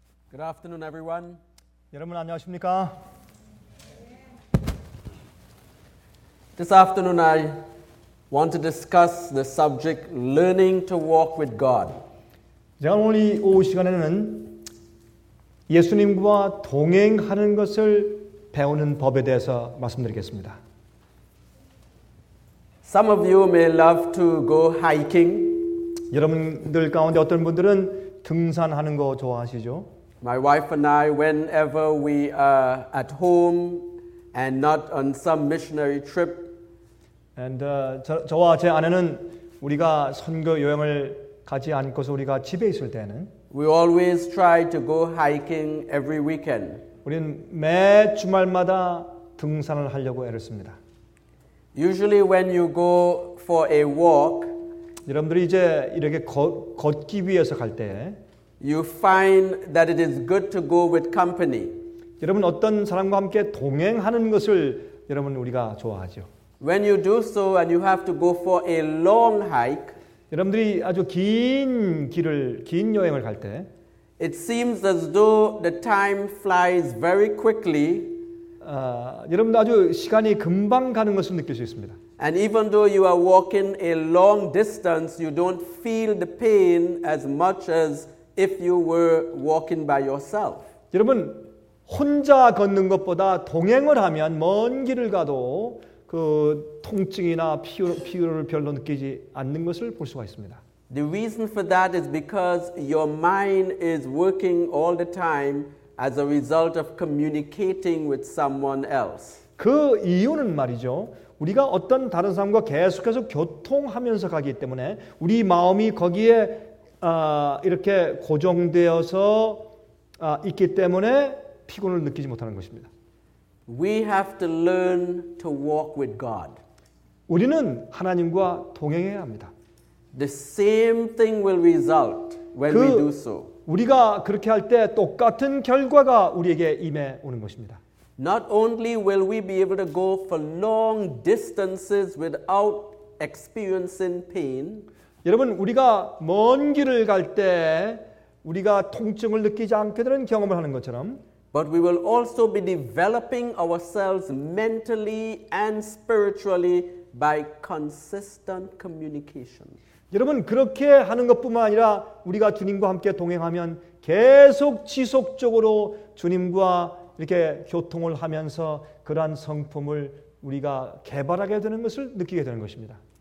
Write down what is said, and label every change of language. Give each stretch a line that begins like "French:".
English: Good afternoon, everyone.
Korean: 여러분 안녕하십니까?
English: This afternoon, I want to discuss the subject learning to walk with God.
Korean: 제가 오늘 이 오후 시간에는 예수님과 동행하는 것을 배우는 법에 대해서 말씀드리겠습니다.
English: Some of you may love to go hiking.
Korean: 여러분들 가운데 어떤 분들은 등산하는 거 좋아하시죠?
English: My wife and I, whenever we are at home and not on some missionary trip,
Korean: and 저와 제 아내는 우리가 선교 여행을 가지 않고서 우리가 집에 있을 때는,
English: we always try to go hiking every weekend.
Korean: 우리는 매 주말마다 등산을 하려고 애를 씁니다.
English: Usually, when you go for a walk,
Korean: 여러분들이 이제 이렇게 걷기 위해서 갈 때,
English: you find that it is good to go with company.
Korean: 여러분 어떤 사람과 함께 동행하는 것을 여러분 우리가 좋아하죠.
English: When you do so and you have to go for a long hike,
Korean: 여러분들이 아주 긴 길을 긴 여행을 갈 때,
English: it seems as though the time flies very quickly.
Korean: 여러분들 아주 시간이 금방 가는 것을 느낄 수 있습니다.
English: And even though you are walking a long distance, you don't feel the pain as much as if you were walking by yourself.
Korean: 여러분 혼자 걷는 것보다 동행을 하면 먼 길을 가도 그 통증이나 피로를 별로 느끼지 않는 것을 볼 수가 있습니다.
English: The reason for that is because your mind is working all the time as a result of communicating with someone else.
Korean: 그 이유는 말이죠. 우리가 어떤 다른 사람과 계속해서 교통하면서 가기 때문에 우리 마음이 거기에 이렇게 고정되어서 있기 때문에 피곤을 느끼지 못하는 것입니다.
English: We have to learn to walk with God.
Korean: 우리는 하나님과 동행해야 합니다.
English: The same thing will result when we do so.
Korean: 우리가 그렇게 할 때 똑같은 결과가 우리에게 임해 오는 것입니다.
English: Not only will we be able to go for long distances without experiencing pain.
Korean: 여러분 우리가 먼 길을 갈 때 우리가 통증을 느끼지 않게 되는 경험을 하는 것처럼,
English: but we will also be developing ourselves mentally and spiritually by consistent communication.
Korean: 여러분 그렇게 하는 것뿐만 아니라 우리가 주님과 함께 동행하면 계속 지속적으로 주님과 이렇게 교통을 하면서 그러한 성품을 우리가 개발하게 되는 것을 느끼게 되는 것입니다.